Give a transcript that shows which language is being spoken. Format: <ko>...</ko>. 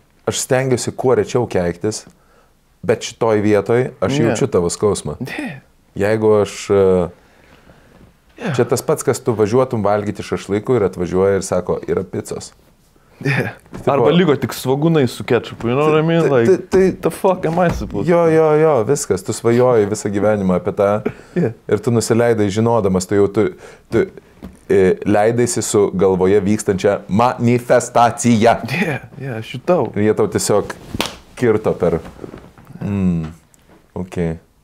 <lt>Aš stengiuosi kuo rečiau keiktis, bet šitoj vietoj aš jaučiu tavo skausmą. Jeigu aš... Čia tas pats, kas tu važiuotum valgyti šašlykų ir atvažiuoja ir sako, yra picos.</lt> <en>Yeah.</en> <lt>Arba lygo tik svagūnai su ketchupu,</lt> <en>you know what I mean? Like, the fuck am I supposed to?</en> <lt>Jo, viskas, tu svajoji visą gyvenimą apie tą ir tu nusileidai žinodamas, tu leidaisi su galvoje vykstančia manifestacija.</lt> <en>Yeah,</en> <lt>šitau. Ir jie tau tiesiog kirto per... Okay.</lt>